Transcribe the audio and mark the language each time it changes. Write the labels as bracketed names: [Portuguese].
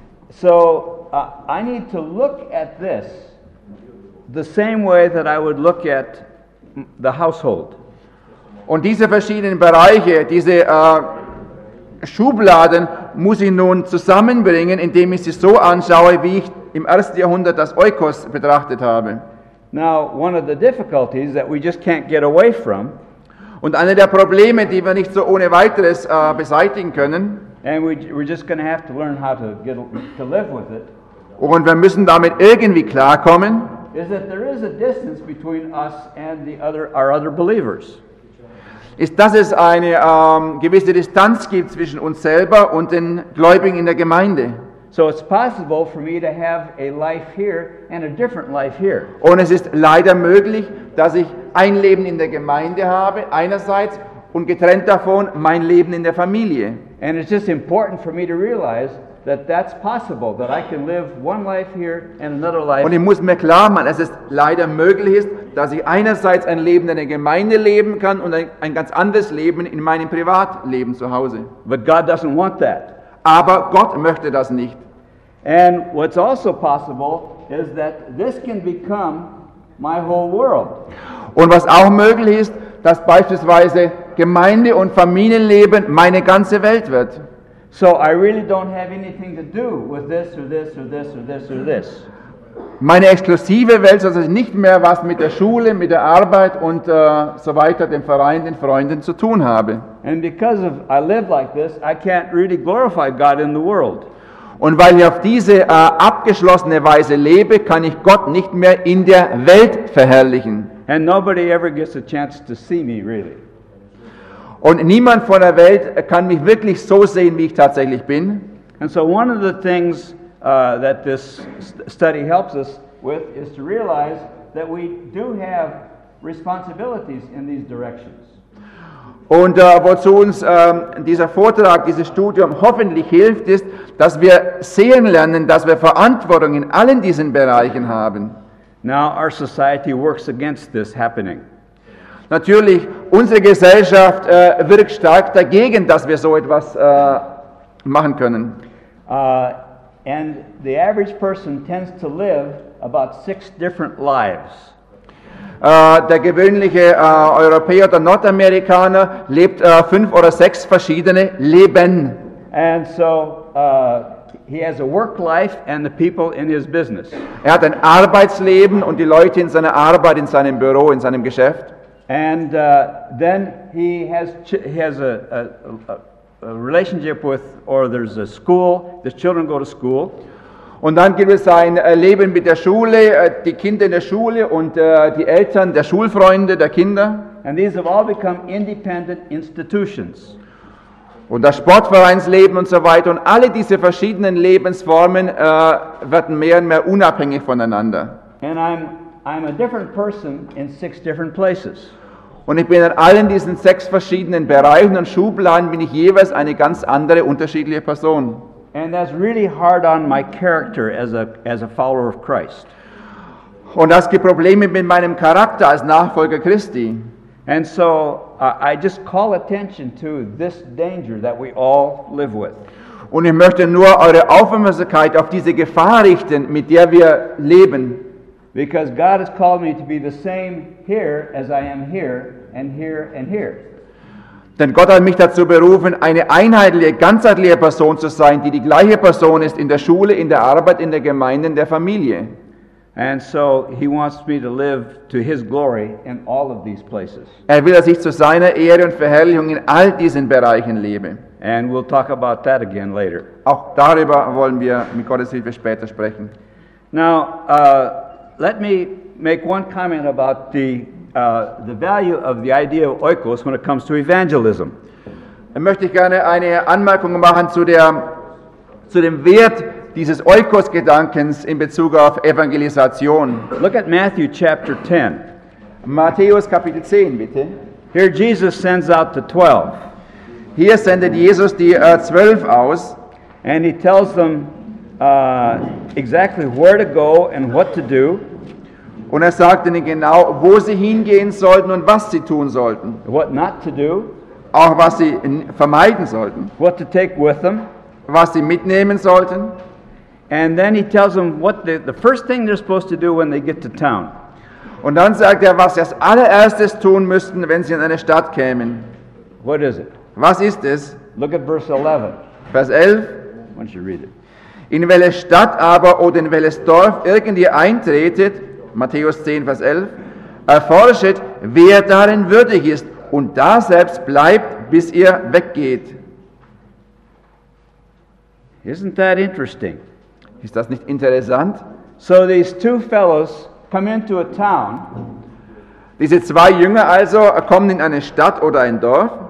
[English] So, I need to look at this the same way that I would look at the household. [German] Und diese verschiedenen Bereiche, diese Schubladen muss ich nun zusammenbringen, indem ich sie so anschaue, wie ich im ersten Jahrhundert das Oikos betrachtet habe. [English] Now, one of the difficulties that we just can't get away from, [German] und eine der Probleme, die wir nicht so ohne weiteres beseitigen können, [English] and we're just going to have to learn how to live with it, [German] und wir müssen damit irgendwie klarkommen, [English] is that there is a distance between us and our other believers. [German] Ist, dass es eine gewisse Distanz gibt zwischen uns selber und den Gläubigen in der Gemeinde. [English] So it's possible for me to have a life here and a different life here. [German] Und es ist leider möglich, dass ich ein Leben in der Gemeinde habe, einerseits, und getrennt davon mein Leben in der Familie. [English] And it's just important for me to realize that that's possible, that I can live one life here and another life. [German] Und ich muss mir klar machen, es ist leider möglich, dass ich einerseits ein Leben in der Gemeinde leben kann und ein ganz anderes Leben in meinem Privatleben zu Hause. [English] But God doesn't want that. [German] Aber Gott möchte das nicht. [English] And what's also possible is that this can become my whole world. [German] Und was auch möglich ist, dass beispielsweise Gemeinde und Familienleben meine ganze Welt wird. [English] So I really don't have anything to do with this or this or this or this or this. [German] meine exklusive Welt, so dass ich nicht mehr was mit der Schule, mit der Arbeit und so weiter, dem Verein, den Freunden zu tun habe. [English] And because of I live like this, I can't really glorify God in the world. [German] Und weil ich auf diese abgeschlossene Weise lebe, kann ich Gott nicht mehr in der Welt verherrlichen. [English] And nobody ever gets a chance to see me really. [German] Und niemand von der Welt kann mich wirklich so sehen, wie ich tatsächlich bin. [English] And so one of the things that this study helps us with is to realize that we do have responsibilities in these directions. [German] Und wozu uns dieser Vortrag, dieses Studium hoffentlich hilft, ist, dass wir sehen lernen, dass wir Verantwortung in allen diesen Bereichen haben. [English] Now our society works against this happening. [German] Natürlich, unsere Gesellschaft wirkt stark dagegen, dass wir so etwas machen können. [English] And the average person tends to live about 6 different lives. [German] Der gewöhnliche Europäer oder Nordamerikaner lebt 5 oder 6 verschiedene Leben. [English] And so he has a work life and the people in his business. [German] Er hat ein Arbeitsleben und die Leute in seiner Arbeit, in seinem Büro, in seinem Geschäft. [English] And then he has a relationship with, or there's a school, the children go to school. [German] Und dann gibt es ein Leben mit der Schule, die Kinder in der Schule und die Eltern, der Schulfreunde, der Kinder. [English] And these have all become independent institutions. [German] Und das Sportvereinsleben und so weiter und alle diese verschiedenen Lebensformen werden mehr und mehr unabhängig voneinander. [English] And I'm a different person in 6 different places. [German] Und ich bin in allen diesen 6 verschiedenen Bereichen und Schubladen bin ich jeweils eine ganz andere, unterschiedliche Person. [English] And that's really hard on my character as a follower of Christ. [German] Und das gibt Probleme mit meinem Charakter als Nachfolger Christi. [English] And so I just call attention to this danger that we all live with. [German] Und ich möchte nur eure Aufmerksamkeit auf diese Gefahr richten, mit der wir leben. [English] Because God has called me to be the same here as I am here, and here and here. [German] Denn Gott hat mich dazu berufen, eine einheitliche, ganzheitliche Person zu sein, die die gleiche Person ist in der Schule, in der Arbeit, in der Gemeinde, in der Familie. [English] And so he wants me to live to his glory in all of these places. [German] Er will, dass ich zu seiner Ehre und Verherrlichung in all diesen Bereichen lebe. [English] And we'll talk about that again later. [German] Auch darüber wollen wir mit Gottes Hilfe später sprechen. [English] Now, let me make one comment about the value of the idea of oikos when it comes to evangelism. [German] Dann möchte ich gerne eine Anmerkung machen zu dem Wert dieses Oikos-Gedankens in Bezug auf Evangelisation. [English] Look at Matthew chapter 10. [German] Matthäus Kapitel 10, bitte. [English] Here Jesus sends out the 12. [German] Hier sendet Jesus die 12 aus. [English] And he tells them exactly where to go and what to do. [German] Und sagt ihnen genau, wo sie hingehen sollten und was sie tun sollten. [English] What not to do. [German] Auch was sie vermeiden sollten. [English] What to take with them. [German] Was sie mitnehmen sollten. [English] And then he tells them what the first thing they're supposed to do when they get to town. [German] Und dann sagt was sie als allererstes tun müssten, wenn sie in eine Stadt kämen. [English] What is it? [German] Was ist es? [English] Look at verse 11. [German] Vers 11. [English] Why don't you read it? [German] In welche Stadt aber oder in welches Dorf irgendwie eintretet, Matthäus 10, Vers 11, erforscht, wer darin würdig ist und da selbst bleibt, bis ihr weggeht. [English] Isn't that interesting? [German] Ist das nicht interessant? [English] So these two fellows come into a town. [German] Diese zwei Jünger also kommen in eine Stadt oder ein Dorf.